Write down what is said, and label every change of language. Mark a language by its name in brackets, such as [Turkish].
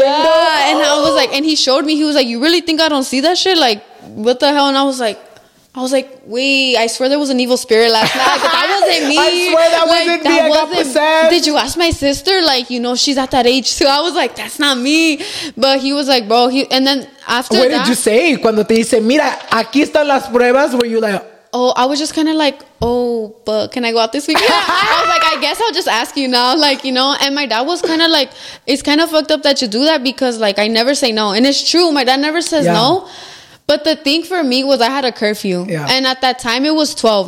[English] And I was like, and he showed me, he was like, you really think I don't see that shit? Like, what the hell? And I was like, wait, I swear there was an evil spirit last night. But that wasn't me. I swear that wasn't like, me. That I wasn't, got possessed. Did you ask my sister? Like, you know, she's at that age too. I was like, that's not me. But he was like, bro, he, and then after what that, did you say? [Spanish] Cuando te dice, mira, aquí están las pruebas. [English] Were you like, oh, I was just kind of like, oh, but can I go out this weekend? I was like, I guess I'll just ask you now. Like, you know, and my dad was kind of like, it's kind of fucked up that you do that because like, I never say no. And it's true. My dad never says no. But the thing for me was I had a curfew. Yeah. And at that time it was 12.